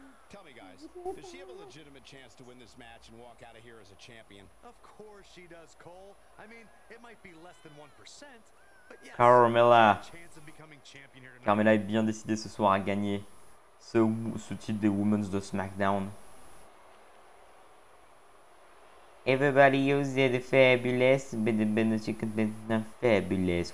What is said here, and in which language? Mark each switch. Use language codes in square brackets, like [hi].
[en] Tell me, guys, does she have a legitimate chance to win this match and walk out of here as a champion? Of course she does, Cole. I mean, it might be less than 1%, but yes, Carmella. [fr] Carmella est bien décidée ce soir à gagner ce titre des Women's de SmackDown. [en] Everybody use the fabulous, but the banana chicken is not fabulous.